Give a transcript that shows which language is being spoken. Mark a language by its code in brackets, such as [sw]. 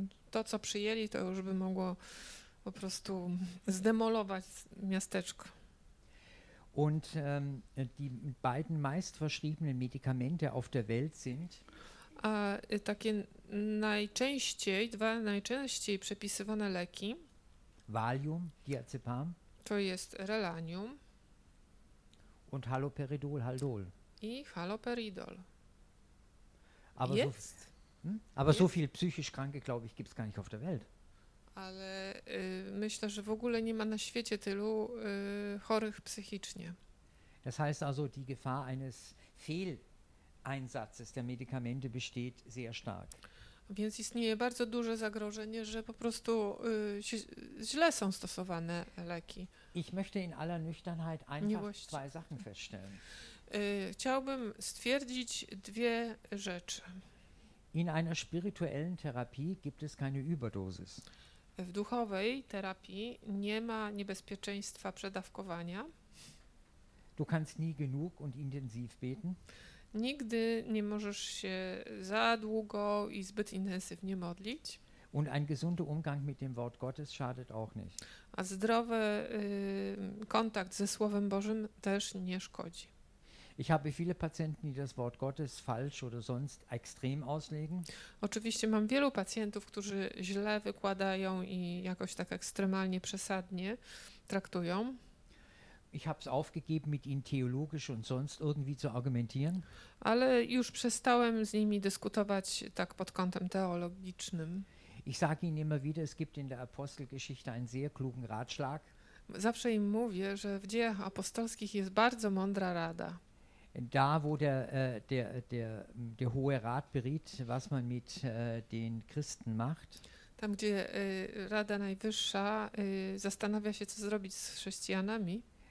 [pl] To, co przyjęli, to już by mogło po prostu zdemolować miasteczko. [de] Und die beiden meist verschriebenen Medikamente auf der Welt sind. [pl] A takie najczęściej, dwa najczęściej przepisywane leki. [de] Valium, Diazepam. [pl] To jest Relanium. [de] Und Haloperidol, Haldol. [pl] I Haloperidol. [de] Aber jetzt? Aber so viel psychisch Kranke, glaube ich, gibt es gar nicht auf der Welt. [pl] Ale myślę, że w ogóle nie ma na świecie tylu chorych psychicznie. [de] Das heißt also, die Gefahr eines Fehleinsatzes der Medikamente besteht sehr stark. [pl] Więc istnieje bardzo duże zagrożenie, że po prostu źle są stosowane leki. [de] Ich möchte in aller Nüchternheit einfach Miłość. Zwei Sachen feststellen. [pl] Chciałbym stwierdzić dwie rzeczy. [de] In einer spirituellen Therapie gibt es keine Überdosis. [pl] W duchowej terapii nie ma niebezpieczeństwa przedawkowania. [de] Du kannst nie genug und intensiv beten. [pl] Nigdy nie możesz się za długo i zbyt intensywnie modlić. [de] Und ein gesunder Umgang mit dem Wort Gottes schadet auch nicht. [pl] A zdrowy kontakt ze Słowem Bożym też nie szkodzi. [de] Ich habe viele Patienten, die das Wort Gottes falsch oder sonst extrem auslegen. [pl] Oczywiście mam wielu pacjentów, którzy źle wykładają i jakoś tak ekstremalnie przesadnie traktują. [de] Ich habe es aufgegeben, mit ihnen theologisch und sonst irgendwie zu argumentieren. [pl] Ale już przestałem z nimi dyskutować tak pod kątem teologicznym. [de] Ich sage ihnen immer wieder, es gibt in der Apostelgeschichte einen sehr klugen Ratschlag. [pl] Zawsze im mówię, że w dziejach apostolskich jest bardzo mądra rada. [de] Da, wo der hohe Rat beriet, was man mit den Christen macht. [pl] Tam, gdzie Rada Najwyższa zastanawia się, co zrobić z chrześcijanami.